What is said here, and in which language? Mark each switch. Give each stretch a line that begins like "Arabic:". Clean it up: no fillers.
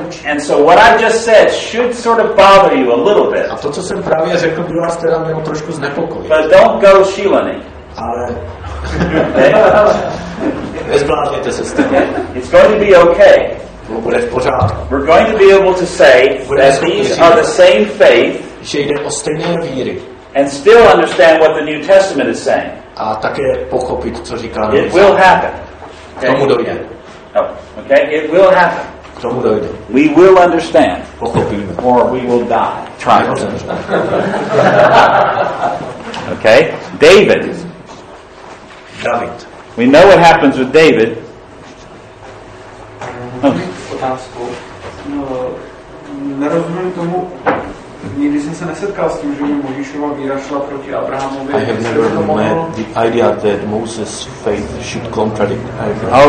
English: And so what I just said should sort of bother you a little bit.
Czech: A to, co jsem právě řekl, by vás teda mělo trošku znepokojit.
English: But don't go shilani.
Czech: Ale nezblázněte se s tím.
English: It's going to be okay.
Czech: To bude v pořádku.
English: We're going to be able to say that these are the same faith,
Czech: že jde o stejné víry,
English: and still understand what the New Testament is saying.
Czech: A také pochopit, co říká
English: Nový. It will happen.
Czech: K tomu dojde.
English: Okay, it will happen.
Czech: K tomu dojde.
English: We will understand.
Czech: Pochopíme.
English: Or we will die. Try to understand. Okay, David.
Czech: David.
English: We know what happens with David.
Czech: Otázku. Nerozumím tomu. Nikdy jsem se nesetkal s tím, že mi Mojžíšova víra šla proti Abrahamovi.
English: I have never met the idea that Moses' faith should contradict Abraham.